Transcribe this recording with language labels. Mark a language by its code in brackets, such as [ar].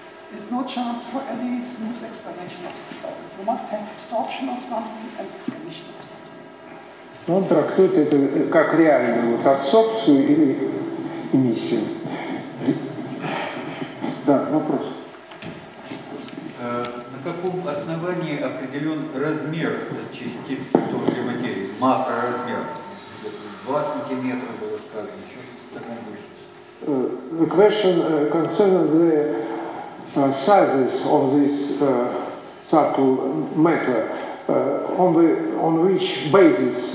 [en] There's no chance for any smooth explanation of the story. You must have absorption of something and emission of something. [ru] Он трактует это как реальную вот абсорбцию или эмиссию. Да, вопрос. На каком основании определен размер частиц тонкой материи, макроразмер? 2 сантиметра было сказано, еще что-то в таком духе. [en] The question concerning the sizes of this subtle matter, on which basis?